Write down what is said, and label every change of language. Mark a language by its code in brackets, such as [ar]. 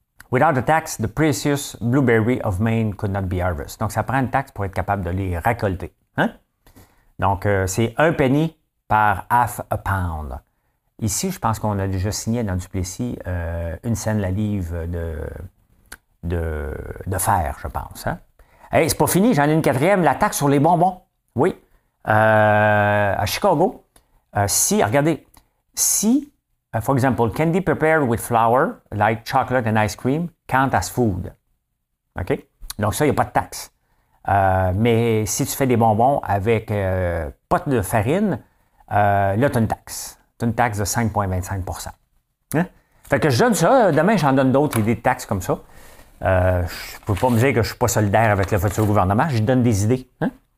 [en] Without a tax, the precious blueberry of Maine could not be harvested. [fr] Donc, ça prend une taxe pour être capable de les récolter. Hein? Donc, c'est un penny par [en] half a pound. [fr] Ici, je pense qu'on a déjà signé dans Duplessis une scène la livre de fer, je pense. Hein? Hey, c'est pas fini, j'en ai une quatrième, la taxe sur les bonbons. Oui. À Chicago, si, regardez, si, [en] for example, candy prepared with flour, like chocolate and ice cream, count as food. OK? [fr] Donc ça, il n'y a pas de taxe. Mais si tu fais des bonbons avec pas de farine, là, tu as une taxe. Tu as une taxe de 5,25%. Hein? Fait que je donne ça, demain, j'en donne d'autres, idées de taxes comme ça. Je ne peux pas me dire que je ne suis pas solidaire avec le futur gouvernement. Je donne des idées. Hein?